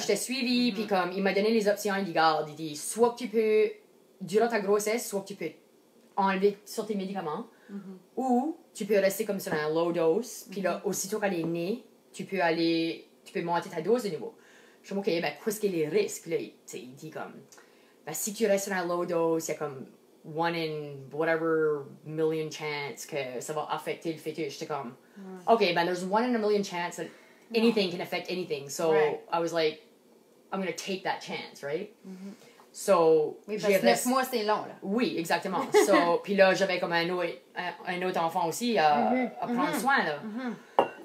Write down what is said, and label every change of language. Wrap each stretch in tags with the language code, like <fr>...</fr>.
<fr>J'étais suivie, puis comme il m'a donné les options, il dit, garde, il dit, soit que tu peux, durant ta grossesse, soit que tu peux enlever sur tes médicaments, ou tu peux rester comme sur un low dose, puis là, aussitôt qu'elle est née, tu peux monter ta dose de nouveau. Je me dis, OK, ben, qu'est-ce que les risques? Là, il dit comme, ben, si tu restes dans la low dose, il y a comme</fr> <en>one in whatever million chance</en> <fr>que ça va affecter le fœtus. J'étais comme, OK, ben,</fr> <en>there's one in a million chance that anything can affect anything. So, right. I was like, I'm going to take that chance, right? So,</en> <fr>oui, parce que 9 mois, c'est long, là. Oui, exactement. So, puis là, j'avais comme un autre enfant aussi à prendre soin, là.</fr>